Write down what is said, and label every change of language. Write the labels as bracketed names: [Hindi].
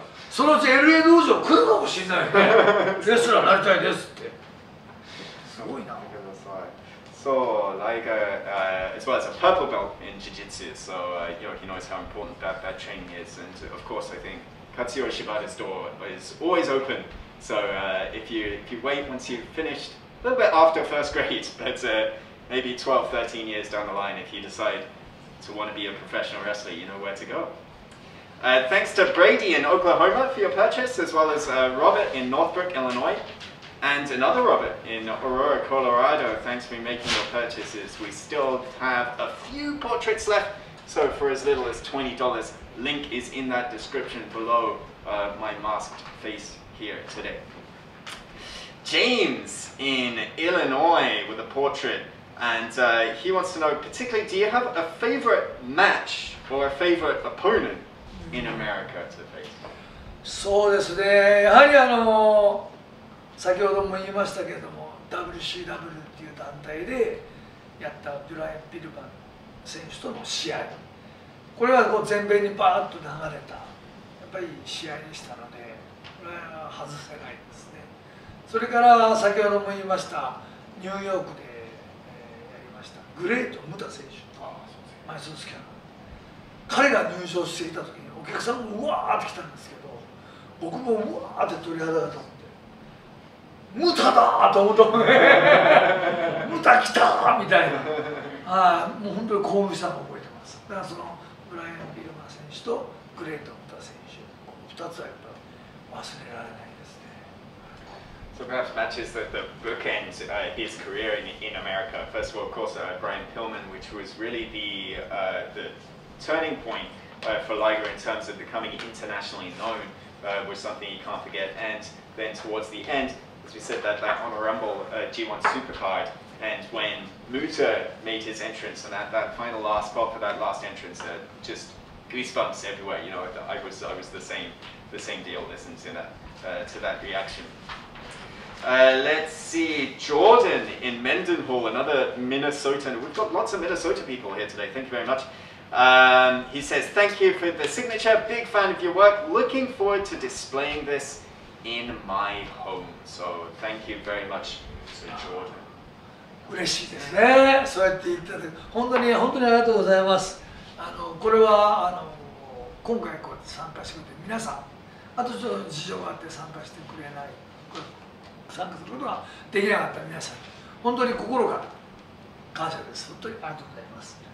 [Japanese] そのうち LA 道場来るかもしれないね。レスラーになりたいですってすごいな。 [English] So, Liger, as well as a purple belt in jiu-jitsu, so you know, he knows how important that training is. And of course, I think Katsuyori Shibata's door is always open. So if you wait once you've finished, a little bit after first grade, but maybe 12, 13 years down the line, if you decide to want to be a professional wrestler, you know where to go. Thanks to Brady in Oklahoma for your purchase, as well as Robert in Northbrook, Illinois. And another Robert in Aurora, Colorado, thanks for making your purchases. We still have a few portraits left, so for as little as $20, link is in that description below my masked face here today. James in Illinois with a portrait, and he wants to know, particularly, do you have a favorite match or a favorite opponent in America to face? [Japanese] そうですね、やはりあの先ほども言いましたけれども、WCW っていう団体でやったブライアン・ビルバン選手との試合、これはこう全米にバーッと流れたやっぱり試合でしたので、これは外せないですね。それから先ほども言いました、ニューヨークでやりましたグレート・ムタ選手、ああそうですね、マイソンスキャナー、彼が入場していた時にお客さんもうわーって来たんですけど、僕もうわーって鳥肌が立って、ムタだーと思ったもんね。ムタ来たーみたいな。はい、もう本当に興奮したのを覚えてます。だからそのブライアン・ビルマー選手とグレート・ムタ選手、この二つはやっぱ忘れられないですね。 [English] So perhaps matches that the bookend his career in America. First of all, of course, Brian Pillman, which was really the turning point for Liger in terms of becoming internationally known, was something you can't forget. And then towards the end. As we said, that Honor Rumble G1 supercard, and when Muta made his entrance, and that final last spot for that last entrance, just goosebumps everywhere. You know, I was the same deal listening to that reaction. Let's see, Jordan in Mendenhall, another Minnesotan. We've got lots of Minnesota people here today. Thank you very much. He says, thank you for the signature, big fan of your work, looking forward to displaying this in my home. So thank you very much, Sir Jordan. [Japanese] 嬉しいですね。そうやって言ったら、本当に本当にありがとうございます。これは今回こうやって参加してくれて皆さん、あとちょっと事情があって参加してくれない、参加することができなかった皆さん、本当に心から感謝です。本当にありがとうございます。